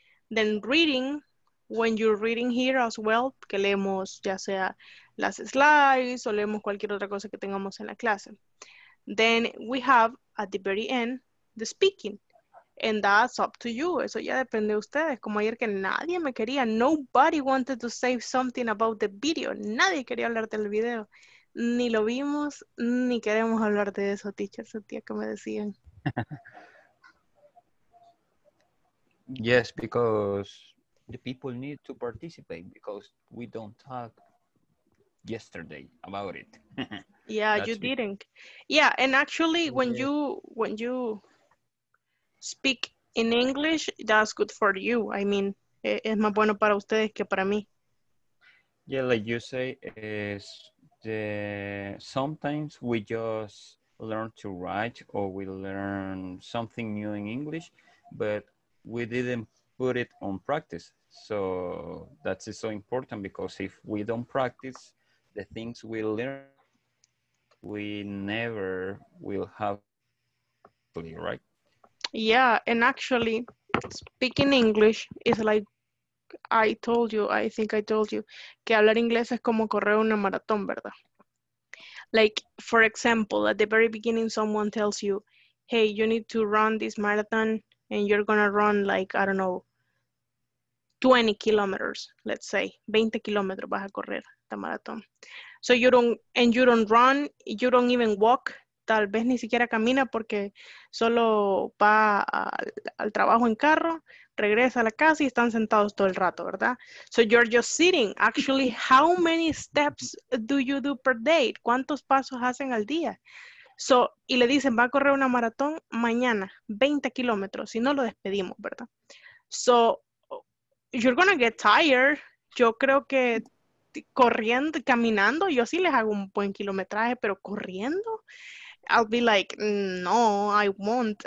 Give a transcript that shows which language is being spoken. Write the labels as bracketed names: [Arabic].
[English] Then reading, when you're reading here as well, [Spanish] que leemos ya sea las slides o leemos cualquier otra cosa que tengamos en la clase. [English] Then we have, at the very end, the speaking. And that's up to you. [Spanish] Eso ya depende de ustedes. Como ayer que nadie me quería. [English] Nobody wanted to say something about the video. [Spanish] Nadie quería hablar del video. Ni lo vimos, ni queremos hablar de eso, teacher. Sentía que me decían. [English] Yes, because the people need to participate because we don't talk yesterday about it. Yeah, you didn't. Yeah, and actually when you speak in English, that's good for you. I mean, [Spanish] es más bueno para ustedes que para mí. [English] Yeah, like you say, is the sometimes we just learn to write or we learn something new in English, but we didn't put it on practice. So that is so important because if we don't practice the things we learn, we never will have it, right? Yeah, and actually, speaking English is like I told you, I think I told you, [Spanish] que hablar inglés es como correr una maratón, ¿verdad? [English] Like, for example, at the very beginning, someone tells you, hey, you need to run this marathon, and you're gonna run, like, I don't know, 20 kilometers, let's say. [Spanish] 20 kilómetros vas a correr la maratón. [English] So you don't, and you don't run, you don't even walk. [Spanish] Tal vez ni siquiera camina porque solo va al trabajo en carro, regresa a la casa y están sentados todo el rato, ¿verdad? [English] So you're just sitting. Actually, how many steps do you do per day? [Spanish] ¿Cuántos pasos hacen al día? [English] So, [Spanish] y le dicen, va a correr una maratón mañana, 20 kilómetros, si no lo despedimos, ¿verdad? [English] So, you're gonna get tired. [Spanish] Yo creo que corriendo, caminando, yo sí les hago un buen kilometraje, pero corriendo, [English] I'll be like, no, I won't.